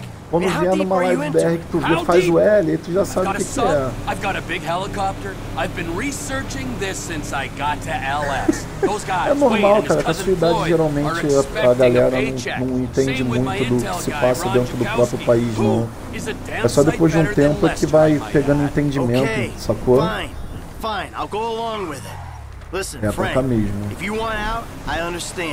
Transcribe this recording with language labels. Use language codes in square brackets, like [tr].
[pt] Quando vier numa live BR que tu vê, faz o L, aí tu já sabe o que é. [en] I've got a big helicopter. I've been researching this since I got to LS. Those guys, [pt] é normal, cara, a sua idade geralmente a galera não entende muito do que se passa dentro do próprio país, não. É só depois de um tempo que vai pegando entendimento, sacou? [en] Fine, I'll go along with it. [pt] É pra cá mesmo. [en] Out,